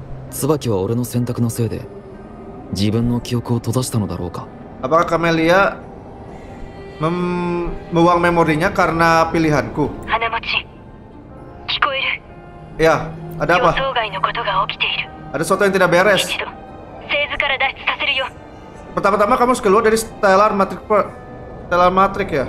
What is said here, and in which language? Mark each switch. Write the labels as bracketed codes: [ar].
[ja] 椿は俺の選択のせいで自分の記憶を閉ざしたのだろうか。 [id] Apakah Camelia membuang memorinya karena pilihanku? [ja] Hanamochi, 聞こえる? [id] Ya, ada apa? [ja] 予想外のことが起きている。 [id] Ada sesuatu yang tidak beres. [ja] 一度、製図から脱出させるよ。 [id] Pertama-tama kamu harus keluar dari Stellar Matrix ya.